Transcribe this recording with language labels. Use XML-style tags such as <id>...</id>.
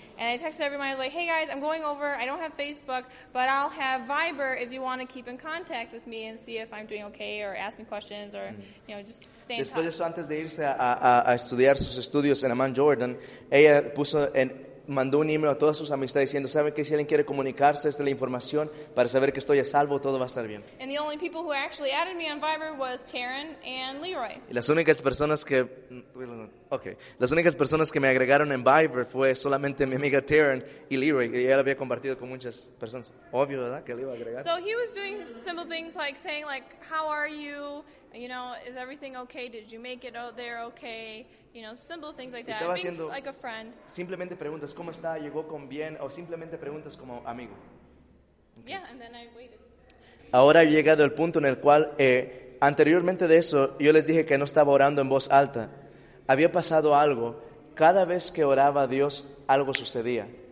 <en>And I texted everybody, I was like, hey guys, I'm going over, I don't have Facebook, but I'll have Viber if you want to keep in contact with me and see if I'm doing okay or ask me questions or, you know, just stay in</en> <es>después</es> <en>touch.</en> <es>De eso, antes de irse a estudiar sus estudios en Amman, Jordan, ella puso en, mandó un email a todas sus amistades diciendo, ¿saben qué? Si alguien quiere comunicarse, esta es la información para saber que estoy a salvo, todo va a estar bien.</es> <en>And the only people who actually added me on Viber was Taryn and Leroy.</en> <es>Y las únicas personas que... Okay. Las únicas personas que me agregaron en Viber fue solamente mi amiga Taryn y Leroy. Y ella lo había compartido con muchas personas. Obvio, ¿verdad? Que le iba a agregar.</es> <en>So he was doing simple things like saying, like, how are you? You know, is everything okay? Did you make it out there okay? You know, simple things like that.</en> <es>Estaba haciendo,</es> <en>like a friend.</en> <es>Simplemente preguntas, ¿cómo está? ¿Llegó con bien? O simplemente preguntas como amigo.</es> <en>Okay. Yeah, and then I waited.</en> <es>Ahora he llegado al punto en el cual, anteriormente de eso, yo les dije que no estaba orando en voz alta. Había pasado algo, cada vez que oraba a Dios, algo sucedía.</es>